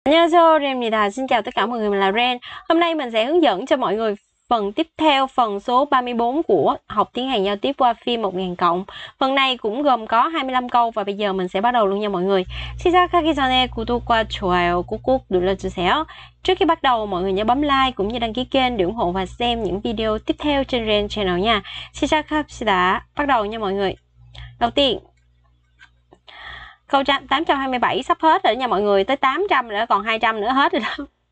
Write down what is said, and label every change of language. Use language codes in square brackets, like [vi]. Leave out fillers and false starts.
[ko] 안녕하세요, 레입니다. [vi] Xin chào tất cả mọi người, mình là Ren. Hôm nay mình sẽ hướng dẫn cho mọi người phần tiếp theo, phần số 34 của học tiếng Hàn giao tiếp qua phim 1000 cộng. Phần này cũng gồm có 25 câu và bây giờ mình sẽ bắt đầu luôn nha mọi người. [ko] 시작하기 전에 구독과 좋아요 꾹꾹 눌러주세요. [vi] Trước khi bắt đầu, mọi người nhớ bấm like cũng như đăng ký kênh để ủng hộ và xem những video tiếp theo trên Ren Channel nha. [ko] 시작합시다. [vi] Bắt đầu nha mọi người. Đầu tiên, câu 827 sắp hết rồi nha mọi người, tới 800 nữa, còn 200 nữa hết rồi đó.